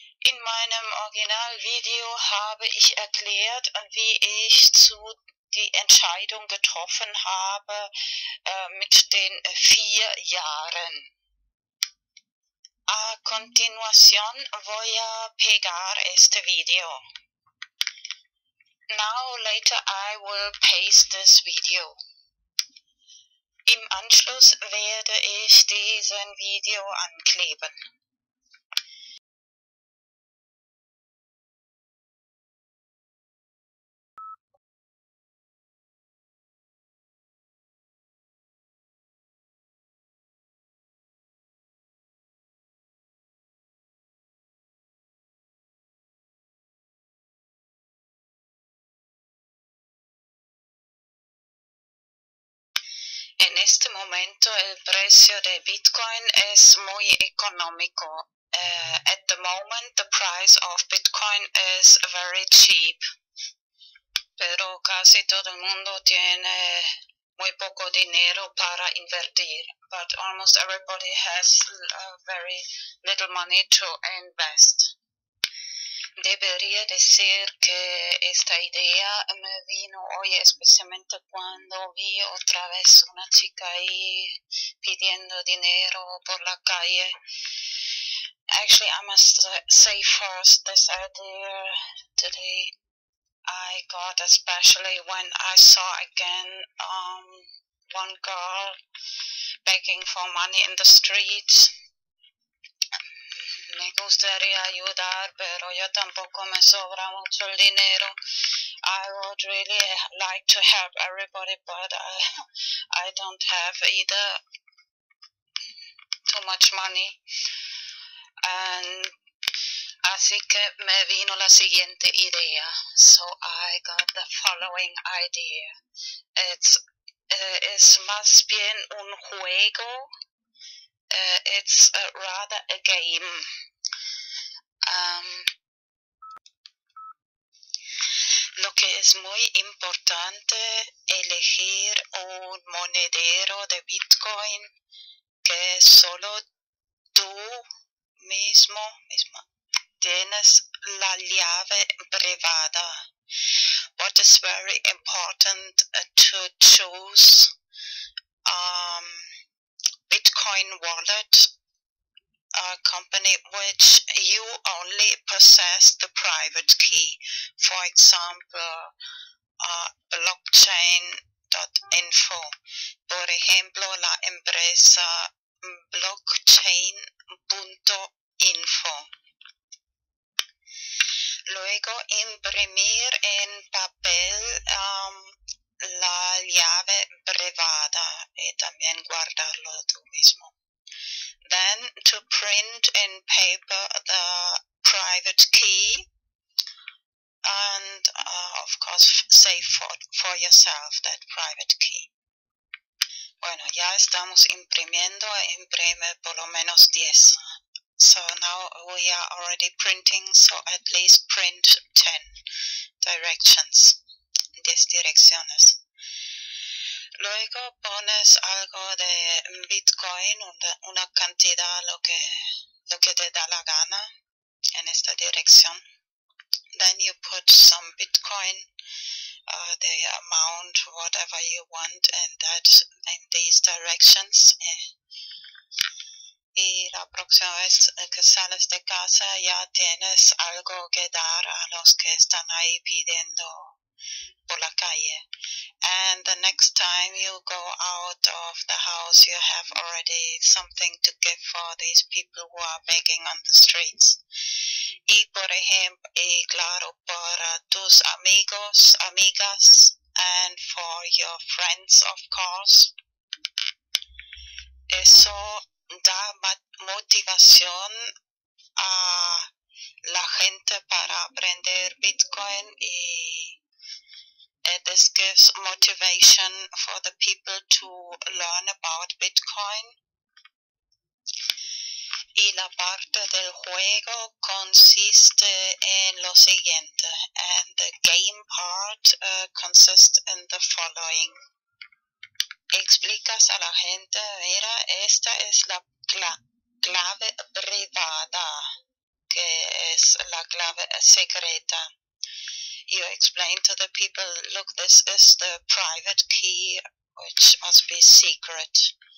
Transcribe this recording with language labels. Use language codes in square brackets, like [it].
[de] In meinem Originalvideo habe ich erklärt, wie ich zu die Entscheidung getroffen habe mit den 4 Jahren. [es] A continuación voy a pegar este video. [en] Now later I will paste this video. [de] Im Anschluss werde ich diesen Video ankleben. [es] En este momento el precio de Bitcoin es muy económico. [en] At the moment the price of Bitcoin is very cheap. [es] Pero casi todo el mundo tiene muy poco dinero para invertir. [en] But almost everybody has very little money to invest. [es] Debería decir que esta idea me vino hoy especialmente cuando vi otra vez una chica ahí pidiendo dinero por la calle. [en] Actually, I must say first this idea today I got, especially when I saw again one girl begging for money in the streets. [es] Me gustaría ayudar, pero yo tampoco me sobra mucho el dinero. [en] I would really like to help everybody, but I don't have either too much money. And [es] así que me vino la siguiente idea. [en] So I got the following idea. It's [es] más bien un juego. [en] It's rather a game. [es] Lo que es muy importante elegir un monedero de Bitcoin que solo tú mismo tienes la llave privada. [en] What is very important to choose Bitcoin wallet, a company which you only possess the private key, for example, blockchain.info. [es] Por ejemplo, la empresa blockchain.info. Luego, imprimir en papel la llave privada y también guardarlo tú mismo. [en] Then to print in paper the private key and of course save for yourself that private key. [es] Bueno, ya estamos imprimiendo, imprime por lo menos 10. [en] So now we are already printing, so at least print 10 directions, [es] 10 direcciones. Luego pones algo de Bitcoin, una cantidad, lo que te da la gana en esta dirección. [en] Then you put some Bitcoin, the amount, whatever you want, in these directions. [es] Y la próxima vez que sales de casa ya tienes algo que dar a los que están ahí pidiendo por la calle. [en] And the next time you go out of the house, you have already something to give for these people who are begging on the streets. [es] Y por ejemplo, y claro, para tus amigos, amigas, [en] and for your friends, of course. [es] Eso da motivación a la gente para aprender Bitcoin y [en] this gives motivation for the people to learn about Bitcoin. [es] Y la parte del juego consiste en lo siguiente. [en] And the game part consists in the following. [es] Explicas a la gente, mira, esta es la clave privada, que es la clave secreta. [en] You explain to the people, look, this is the private key, which must be secret.